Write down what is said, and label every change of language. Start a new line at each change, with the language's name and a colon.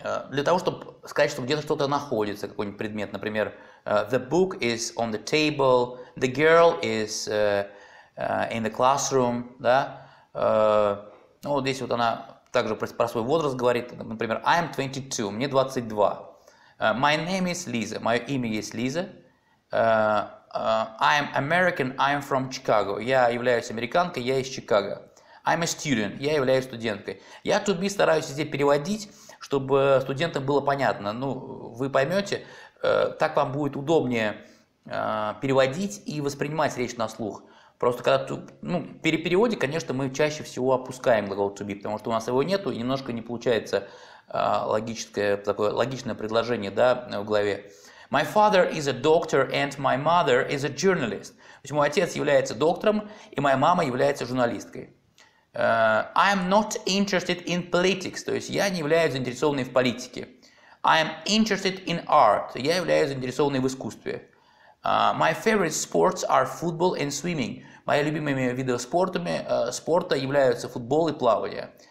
Russian: Для того, чтобы сказать, что где-то что-то находится, какой-нибудь предмет, например,
English: the book is on the table, the girl is in the classroom.
Russian: Да? Ну, вот здесь вот она также про свой возраст говорит, например,
English: I'm 22,
Russian: мне 22.
English: My name is Lisa.
Russian: Мое имя есть Лиза.
English: I am American. I am from Chicago.
Russian: Я являюсь американкой. Я из Чикаго.
English: I'm a student.
Russian: Я являюсь студенткой. Я to be стараюсь здесь переводить, чтобы студентам было понятно. Ну, вы поймете, так вам будет удобнее переводить и воспринимать речь на слух. Просто когда ну, при переводе, конечно, мы чаще всего опускаем глагол to be, потому что у нас его нету и немножко не получается. Логическое, такое логичное предложение, да, в главе.
English: My father is a doctor and my mother is a journalist.
Russian: То есть мой отец является доктором, и моя мама является журналисткой.
English: I am not interested in politics.
Russian: То есть я не являюсь заинтересованной в политике.
English: I am interested in art.
Russian: Я являюсь заинтересованной в искусстве.
English: My favorite sports are football and swimming.
Russian: Мои любимыми виды спорта являются футбол и плавание.